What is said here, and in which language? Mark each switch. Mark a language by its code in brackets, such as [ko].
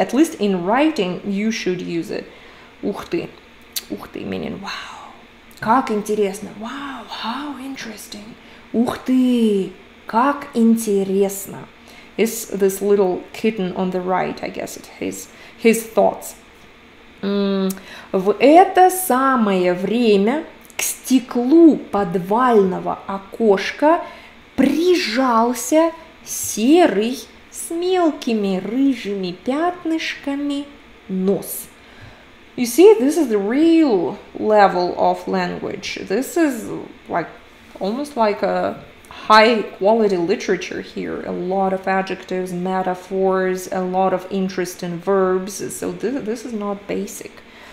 [en] At least in writing, you should use it. [ru] Ух ты. Ух ты, [en] meaning wow. [ru] Как интересно. [en] Wow, how interesting. [ru] Ух ты, как интересно. [en] It's this little kitten on the right, I guess. His thoughts. [ru] В это самое время к стеклу подвального окошка прижался серый с мелкими рыжими пятнышками нос. [en] You see, this is the real level of language. This is like almost like a high quality literature here. A lot of adjectives, metaphors, a lot of interesting verbs. So this is not basic.